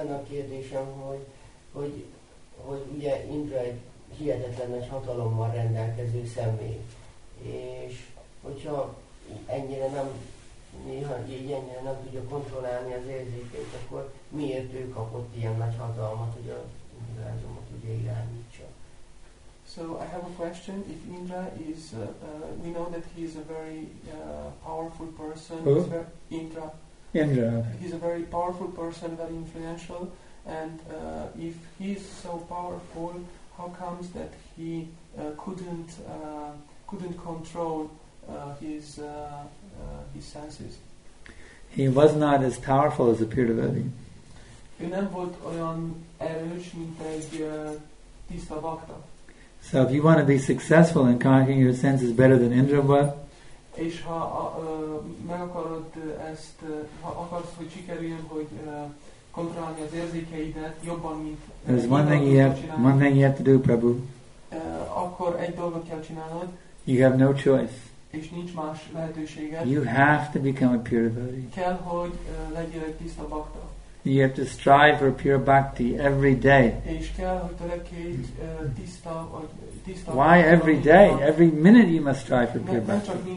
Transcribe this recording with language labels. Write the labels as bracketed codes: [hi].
[hu] érzésem, hogy ugye Indra egy hihetetlenes hatalommal rendelkező személy, és hogyha ennyire nem, néha így ennyire nem tudja kontrollálni az érzékeit, akkor miért ő kapott ilyen nagy hatalmat, hogy az univerzumot ugye irányítsa? [en] So I have a question. If Indra is, we know that he is a very powerful person. Who? Indra. Indra. He's a very powerful person, very influential. And if he is so powerful, how comes that he couldn't control his senses? He was not as powerful as a Pirdavati. [hu] Ő nem volt olyan erős, mint egy tiszta bhakta. [en] So if you want to be successful in conquering your senses better than Indra was, [hu] és ha meg akarod ezt, ha akarsz, hogy sikerüljön, hogy kontrollálni az érzékeidet jobban, mint [en] there's one thing you have to do, Prabhu. [hu] Akkor egy dolgot kell csinálnod. [en] You have no choice. [hu] És nincs más lehetőséged. [en] You have to become a pure devotee. [hu] Kell, hogy legyél egy tiszta bhakta. [en] You have to strive for pure bhakti every day. Why every day? Every minute you must strive for pure bhakti.